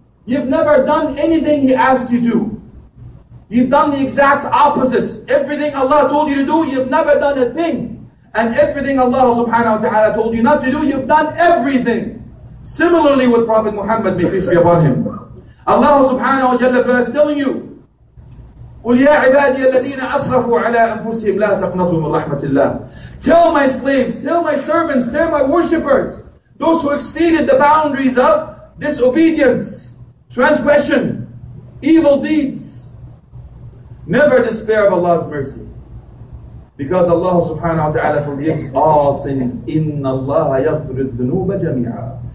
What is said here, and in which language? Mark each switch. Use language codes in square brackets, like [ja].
[en] You've never done anything He asked you to. You've done the exact opposite. Everything Allah told you to do, you've never done a thing. And everything Allah subhanahu wa ta'ala told you not to do, you've done everything. Similarly with Prophet Muhammad, may peace be upon him. Allah subhanahu wa jalla is telling you, [ar] قُلْ يَا عِبَادِيَ الَّذِينَ أَسْرَفُوا عَلَىٰ أَنفُسِهِمْ لَا تَقْنَطُوا مِنْ رَحْمَةِ اللَّهِ. [en] Tell my slaves, tell my servants, tell my worshippers, those who exceeded the boundaries of disobedience, transgression, evil deeds, never despair of Allah's mercy. Because Allah subhanahu wa ta'ala forgives all sins. [ar] إِنَّ اللَّهَ يَغْفِرُ الذُّنُوبَ جَمِيعًا.